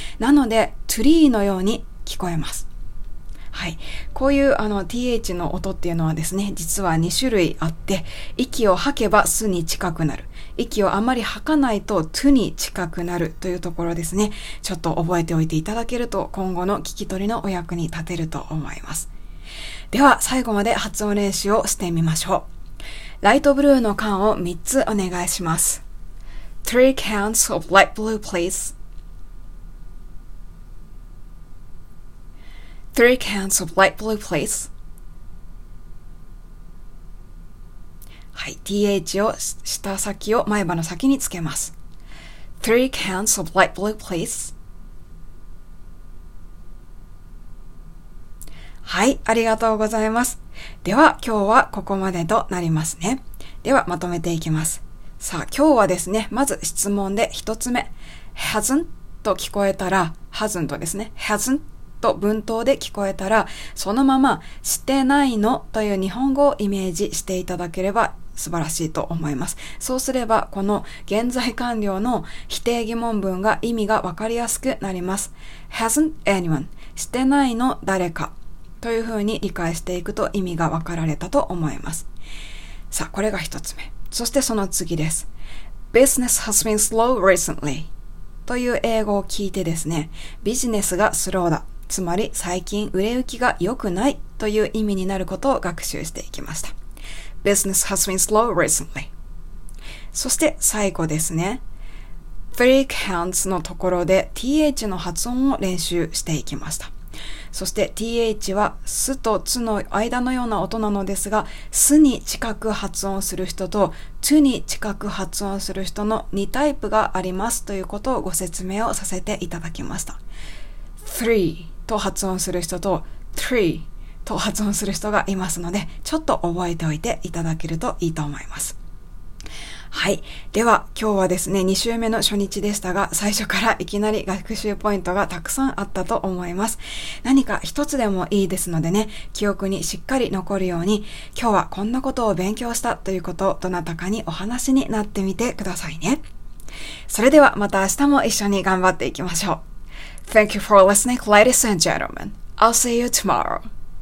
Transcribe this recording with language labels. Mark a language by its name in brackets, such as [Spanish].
[Japanese] なので tree のように聞こえます。はい、こういうあの th の音っていうのはですね、実は2種類あって、息を吐けば巣に近くなる、息をあまり吐かないと to に近くなるというところですね。ちょっと覚えておいていただけると今後の聞き取りのお役に立てると思います。では最後まで発音練習をしてみましょう。ライトブルーの缶を3つお願いします。 [English] Three cans of light blue please. Three cans of light blue please. [Japanese] はい、 TH を舌先を前歯の先につけます。 [English] Three cans of light blue please. [Japanese] はい、ありがとうございます。では今日はここまでとなりますね。ではまとめていきます。さあ今日はですね、まず質問で1つ目、 hasn't と聞こえたら、 hasn't ですね、 hasn't と文頭で聞こえたら、そのまましてないのという日本語をイメージしていただければ素晴らしいと思います。そうすればこの現在完了の否定疑問文が意味がわかりやすくなります。 [English] hasn't anyone、 [Japanese] してないの誰かというふうに理解していくと意味が分かられたと思います。さあ、これが1つ目。そしてその次です。 [English] Business has been slow recently. [Japanese] という英語を聞いてですね、ビジネスがスローだ、つまり最近売れ行きが良くないという意味になることを学習していきました。 [English] Business has been slow recently. [Japanese] そして最後ですね。Three [English] cans [Japanese] のところで th の発音を練習していきました。そして th はすとつの間のような音なのですが、すに近く発音する人とつに近く発音する人の2タイプがありますということをご説明をさせていただきました。 [English] three [Japanese] と発音する人と [English] three [Japanese] と発音する人がいますので、ちょっと覚えておいていただけるといいと思います。はい、では今日はですね、2週目の初日でしたが、最初からいきなり学習ポイントがたくさんあったと思います。何か一つでもいいですのでね、記憶にしっかり残るように、今日はこんなことを勉強したということをどなたかにお話になってみてくださいね。それではまた明日も一緒に頑張っていきましょう。 [English] Thank you for listening, ladies and gentlemen. I'll see you tomorrow.